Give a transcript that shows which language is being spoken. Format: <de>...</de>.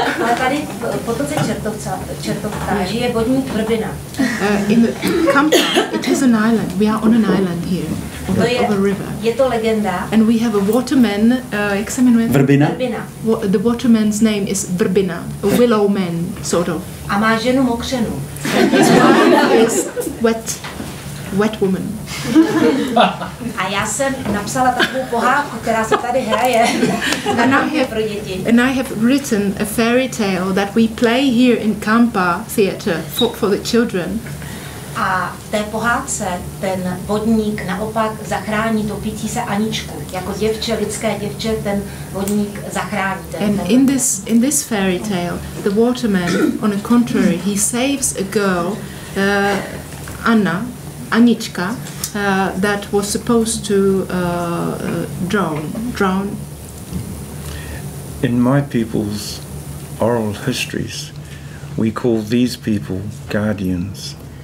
<cs>Ale tady potoce Čertovka žije vodní tvrdina.</cs> <en>In the Kampa, it is an island. We are on an island here. Of a river.</en> <cs>Je to legenda.</cs> <en>And we have a waterman,</en> <cs>jak se jmenuje? Vrbina.</cs> <en>The waterman's name is Vrbina. A willow man, sort of.</en> <cs>A má ženu mokřenu.</cs> <en>His wife is wet. Wet woman.</en> <cs>A já jsem napsala takovou pohádku, která se tady hraje.</cs> <en>And I have written a fairy tale that we play here in Kampa Theater for the children.</en> <cs>A té pohádce ten vodník naopak zachrání topící se Aničku. Jako děvče, lidské děvče, ten vodník zachrání.</cs> <en>And in this fairy tale, the waterman, on the contrary, he saves a girl, Anna. Anička, that was supposed to drown. In my people's oral histories, we call these people guardians.</en>